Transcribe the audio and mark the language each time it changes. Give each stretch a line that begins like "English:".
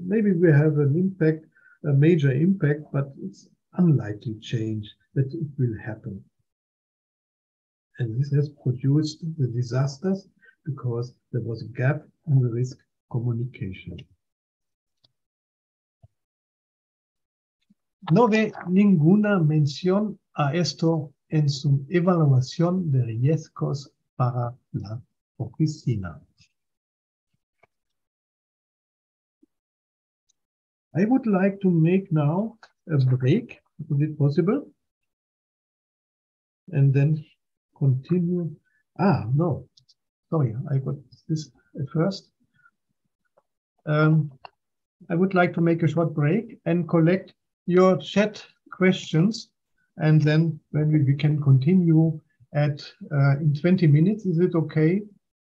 English: Maybe we have an impact, a major impact, but it's unlikely change. that it will happen. And this has produced the disasters because there was a gap in the risk communication.
Spanish: No ve ninguna mención a esto en su evaluación de riesgos para la oficina.
English: I would like to make now a break, if it possible, and then continue. Ah, no, sorry, I got this at first. I would like to make a short break and collect your chat questions, and then when we can continue at in 20 minutes, is it okay?